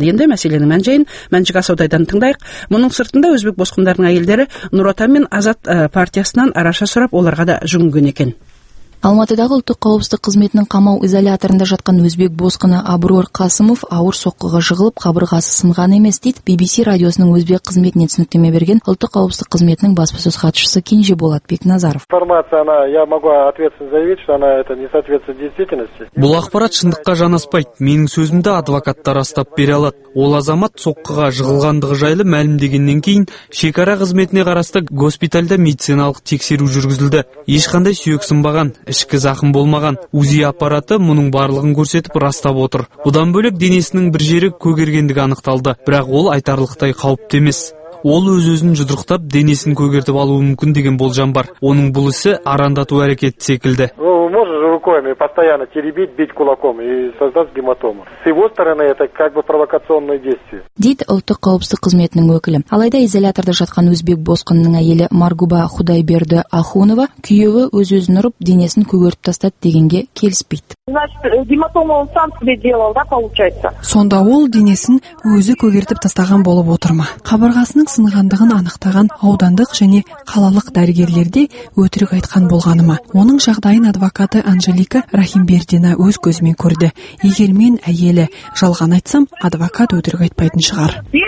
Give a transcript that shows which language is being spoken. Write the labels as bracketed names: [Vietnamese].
[Kazakh] Дегенде мәселенің мән-жайын Мәншік Асаудайдан тыңдайық. Мұның сыртында өзбек босқындарының әйелдері Нұр Отан мен Азат партиясынан араша сұрап, оларға да жүгінген екен. Алматыдағы ұлттық қауіпсіздік қызметінің қамау изоляторында жатқан өзбек босқыны Абрур Қасымов ауыр соққыға жығылып қабырғасы сынған емес, дейді BBC радиосының өзбек қызметіне түсініктеме берген ұлттық қауіпсіздік қызметінің баспасөз хатшысы Кенже Болат Бекназаров. [Russian] Информацияна, я могу ответственно заявить, что она это не соответствует действительности. [Kazakh] Бұл ақпарат шындыққа жанаспайды. Менің сөзімді адвокаттар растап бере алады. Ол азамат соққыға жығылғандығы жайлы мәлімдегеннен кейін шекара қызметіне қарасты госпитальда медициналық тексеру жүргізілді. Ешқандай сүйек сынбаған. Ішкі зақым болмаған. УЗИ аппараты мұның барлығын көрсетіп растап отыр. Бұдан бөлек денесінің бір жері көгергендігі анықталды, бірақ ол айтарлықтай қауіпті емес. Ол өз-өзін жұдырықтап денесін көгертіп алуы мүмкін деген болжам бар. Оның бұл ісі арандату әрекеті секілді. [Russian] Руками постоянно теребить, бить кулаком и создать гематому. С его стороны это как бы провокационное действие. [Kazakh] Дит ұлттық қауіпсіздік қызметінің өкілі. Алайда изоляторда жатқан өзбек босқынының әйелі Маргуба Худайберді Ахунова күйеуі өз-өзін ұрып денесін көгертіп тастады дегенге келіспейді. [Russian] Значит, гематома он сам себе делал, да, получается? [Kazakh] Сонда ол денесін өзі көгертіп тастаған болып отыр ма? Қабырғасының сынғандығын анықтаған аудандық және қалалық дәрігерлерде өтірік айтқан болғаны ма? Оның жағдайын адвокаты Анжелика Рахимбердина өз көзімен көрді. Егер мен әйелі жалған айтсам, адвокат өтірік айтпайтын шығар.